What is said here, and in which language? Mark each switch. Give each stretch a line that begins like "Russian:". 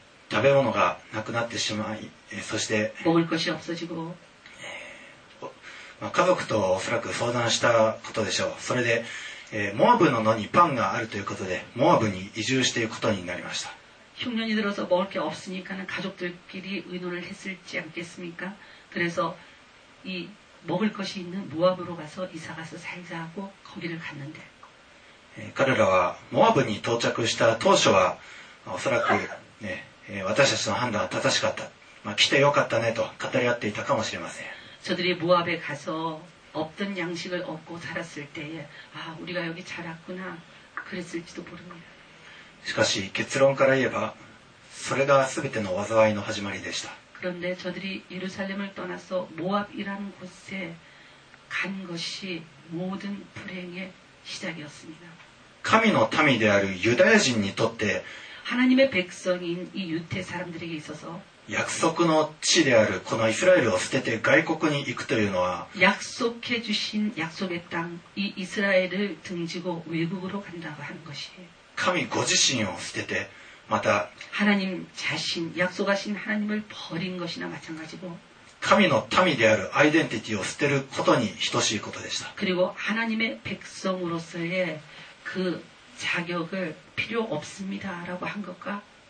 Japanese: 食べ物がなくなってしまい、そして
Korean: 먹을것이없어지고、
Japanese: 家族とおそらく相談したことでしょう。それで、モアブの野にパンがあるということでモアブに移住していくことになりました。
Korean: 흉년이들어서먹을게없으니까는가족들끼리의논을했을지않겠습니까。 그래서이먹을것이있는모압으로가서이사가서살자하고거기를갔는데
Japanese: 彼らはモアブに到着した当初はおそらく、ね、私たちの判断は正しかった、まあ、来てよかったねと語り合っていたかもしれません。
Korean: 저들이모압에가서없던양식을얻고살았을때에아우리가여기잘왔구나그랬을지도모릅니다。
Japanese: しかし結論から言えばそれが全ての災いの始まりでした。
Korean: 그런데저들이예루살렘을떠나서모압이라는곳에간것이모든불행의시작이었습니다。
Japanese: 神の民であるユダヤ人にとって
Korean: 하나님의백성인이유태사람들에게있어서
Japanese: 약속의地であるこのイスラエルを捨てて外国に行くというのは
Korean: 약속해주신약속의땅이이스라엘을등지고외국으로간다고한것이에요。
Japanese: 神ご自身を捨てて、また
Korean: 하나님자신약속하신하나님을버린것이나마찬가지고
Japanese: 神の民であるアイデンティティを捨てることに等しいことでした。
Korean: 그리고하나님의백성으로서의그자격을필요없습니다라고한것과같습니다。